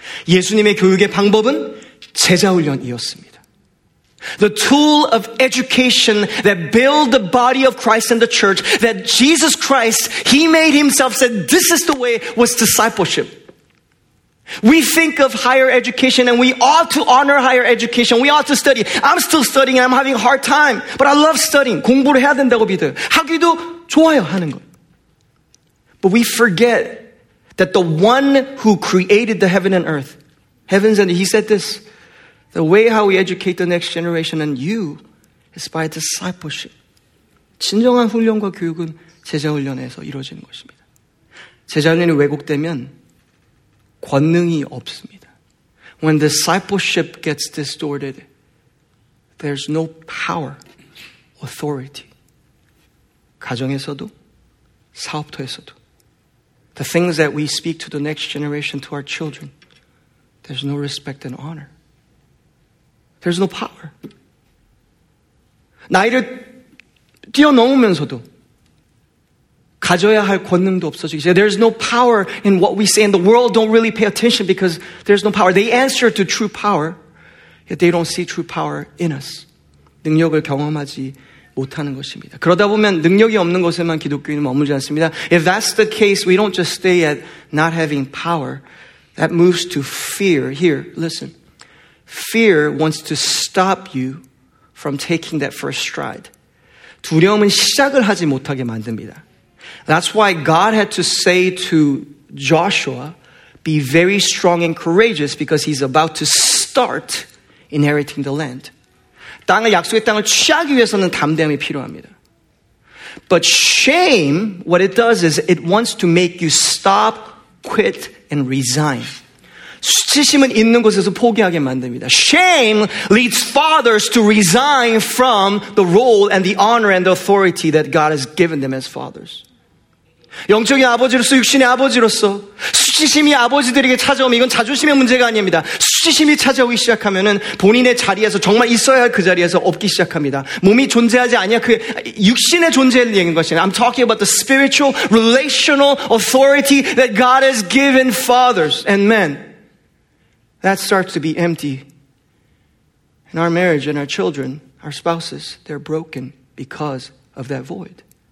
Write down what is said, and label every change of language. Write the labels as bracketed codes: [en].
[ko] 예수님의 교육의 방법은 제자 훈련이었습니다. [en] The tool of education that build the body of Christ and the church that Jesus Christ, he made himself, said this is the way was discipleship. We think of higher education and we ought to honor higher education. We ought to study. I'm still studying and I'm having a hard time. But I love studying. [ko] 공부를 해야 된다고 믿어요. 하기도 좋아요 하는 것. [en] But we forget that the one who created the heaven and earth, heavens and earth, he said this, the way how we educate the next generation and you is by discipleship. [ko] 진정한 훈련과 교육은 제자 훈련에서 이루어지는 것입니다. 제자 훈련이 왜곡되면 권능이 없습니다. [en] When discipleship gets distorted, there's no power, authority. [ko] 가정에서도, 사업터에서도. [en] The things that we speak to the next generation, to our children, there's no respect and honor. There's no power. [ko] 나이를 뛰어넘으면서도 가져야 할 권능도 없어지고 [en] There's no power in what we say, and the world don't really pay attention because there's no power. They answer to true power, yet they don't see true power in us. [ko] 능력을 경험하지 못하는 것입니다. 그러다 보면 능력이 없는 곳에만 기독교인은 머물지 않습니다. [en] If that's the case, we don't just stay at not having power. That moves to fear. Here, listen. Fear wants to stop you from taking that first stride. [ko] 두려움은 시작을 하지 못하게 만듭니다. [en] That's why God had to say to Joshua, be very strong and courageous because he's about to start inheriting the land. [ko] 땅을 약속의 땅을 취하기 위해서는 담대함이 필요합니다. [en] But shame, what it does is it wants to make you stop, quit, and resign. [ko] 수치심은 있는 곳에서 포기하게 만듭니다. [en] Shame leads fathers to resign from the role and the honor and the authority that God has given them as fathers. [ko] 영적인 아버지로서 육신의 아버지로서 수치심이 아버지들에게 찾아오면 이건 자존심의 문제가 아닙니다. 수치심이 찾아오기 시작하면은 본인의 자리에서 정말 있어야 할 그 자리에서 없기 시작합니다. 몸이 존재하지 아니야 그 육신의 존재를 얘기하는 것이냐. [en] I'm talking about the spiritual relational authority that God has given fathers and men. That starts to be empty. And our marriage and our children, our spouses, they're broken because of that void.